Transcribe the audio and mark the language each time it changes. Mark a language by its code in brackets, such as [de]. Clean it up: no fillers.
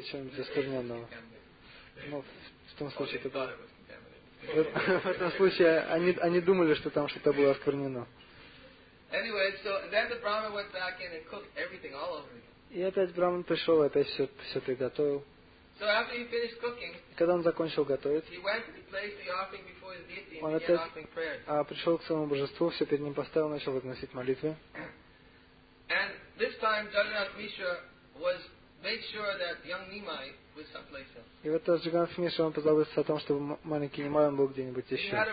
[ru] чего-нибудь оскверненного. Ну, в том случае, это... В этом случае они думали, что там что-то было осквернено. [en] Anyway, so then the Brahman went back in and cooked everything all over again. [ru] И опять Брахман пришел, опять все приготовил. [en] So after he finished cooking, [ru] когда он закончил готовить, [en] he went and placed the offering before his deity and began offering prayers. [ru] А пришел к своему божеству, все перед ним поставил, начал возносить молитвы. [en] And this time Jagannath Mishra was made sure that young Nimai. [ru] И вот этот Джагнатх Мишра, он позаботился о том, чтобы маленький Нимай был где-нибудь еще.